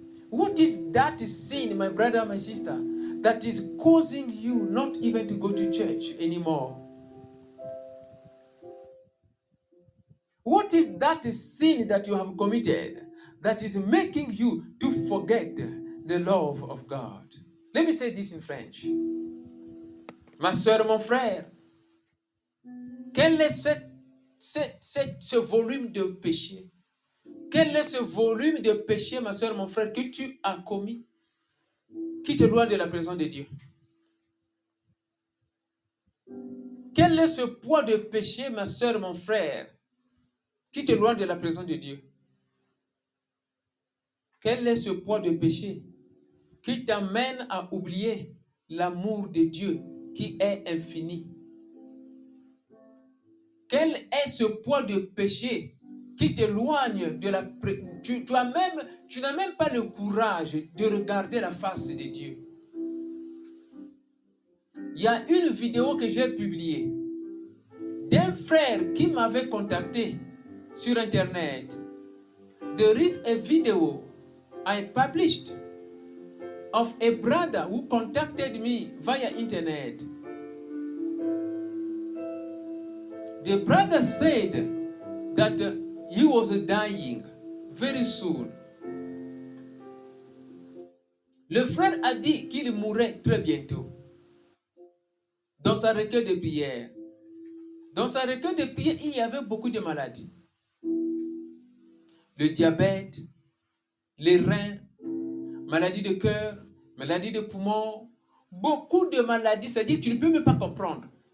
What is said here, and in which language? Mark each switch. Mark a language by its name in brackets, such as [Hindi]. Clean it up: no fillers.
[English] What is that sin, my brother, my sister, that is causing you not even to go to church anymore? What is that sin that you have committed that is making you to forget the love of God? Let me say this in French. [French] Ma soeur, mon frère, quel est ce volume de péché? Quel est ce volume de péché, ma soeur, mon frère, que tu as commis qui te loin de la présence de Dieu? Quel est ce poids de péché, ma soeur, mon frère, qui te loin de la présence de Dieu? Quel est ce poids de péché qui t'amène à oublier l'amour de Dieu qui est infini? Quel est ce poids de péché qui t'éloigne de la... Tu n'as même pas le courage de regarder la face de Dieu. Il y a une vidéo que j'ai publiée d'un frère qui m'avait contacté sur Internet. [English] There is a video I published of a brother who contacted me via Internet. The brother said that he was dying very soon. [French] Le frère a dit qu'il mourrait très bientôt. Dans sa recueil de prières, il y avait beaucoup de maladies. Le diabète, les reins, maladies de cœur, maladies de poumons, beaucoup de maladies, c'est-à-dire tu ne peux même pas comprendre.